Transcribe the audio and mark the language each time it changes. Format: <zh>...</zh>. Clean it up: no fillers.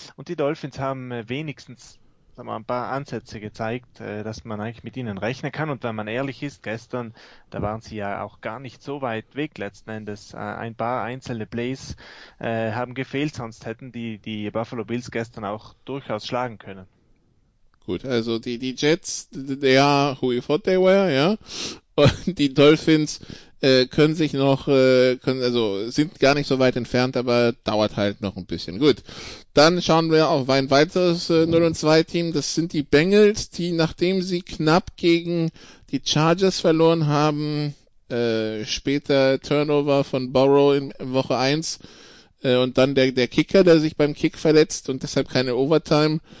<de>Und die Dolphins haben wenigstens ein paar Ansätze gezeigt, dass man eigentlich mit ihnen rechnen kann. Und wenn man ehrlich ist, gestern, da waren sie ja auch gar nicht so weit weg letzten Endes. Ein paar einzelne Plays haben gefehlt, sonst hätten die Buffalo Bills gestern auch durchaus schlagen können. Gut, also die</de> <en>Jets, they are who you thought they were,</en> <de>ja. Und die Dolphins sind gar nicht so weit entfernt, aber dauert halt noch ein bisschen. Gut, dann schauen wir auf ein weiteres 0-2 Team. Das sind die Bengals, die nachdem sie knapp gegen die Chargers verloren haben, später Turnover von Burrow in Woche 1 und dann der Kicker, der sich beim Kick verletzt und deshalb keine Overtime.</de>